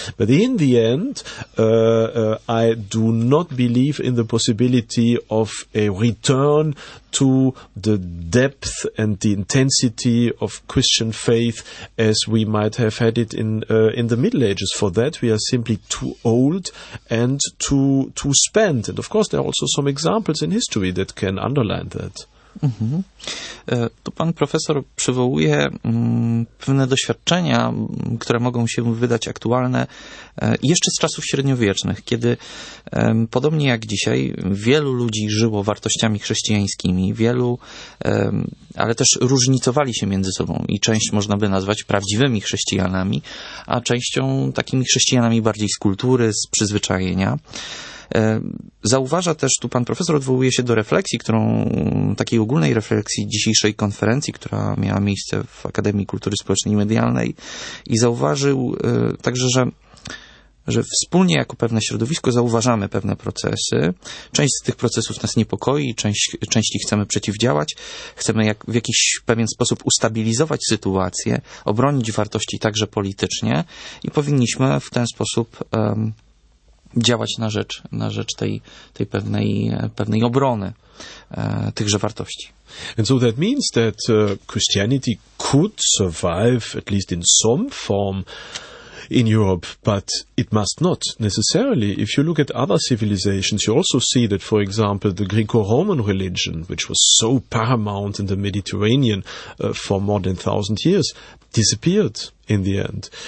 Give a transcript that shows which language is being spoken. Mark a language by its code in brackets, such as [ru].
[en] But in the end, I do not believe in the possibility of a return to the depth and the intensity of Christian faith as we might have had it in the Middle Ages. For that, we are simply too old and too spent. And of course, there are also some examples in history that can underline that. Mm-hmm. [pl] Tu pan profesor przywołuje pewne doświadczenia, które mogą się wydać aktualne jeszcze z czasów średniowiecznych, kiedy podobnie jak dzisiaj wielu ludzi żyło wartościami chrześcijańskimi, wielu, ale też różnicowali się między sobą i część można by nazwać prawdziwymi chrześcijanami, a częścią takimi chrześcijanami bardziej z kultury, z przyzwyczajenia. Zauważa też, tu pan profesor odwołuje się do refleksji, którą, takiej ogólnej refleksji dzisiejszej konferencji, która miała miejsce w Akademii Kultury Społecznej i Medialnej, i zauważył także, że wspólnie jako pewne środowisko zauważamy pewne procesy. Część z tych procesów nas niepokoi, części chcemy przeciwdziałać, chcemy w jakiś pewien sposób ustabilizować sytuację, obronić wartości także politycznie i powinniśmy w ten sposób działać na rzecz tej pewnej obrony tychże wartości. [en] And so that means that Christianity could survive at least in some form in Europe, but it must not necessarily. If you look at other civilizations, you also see that, for example, the Greco-Roman religion, which was so paramount in the Mediterranean for more than 1,000 years, disappeared in the end.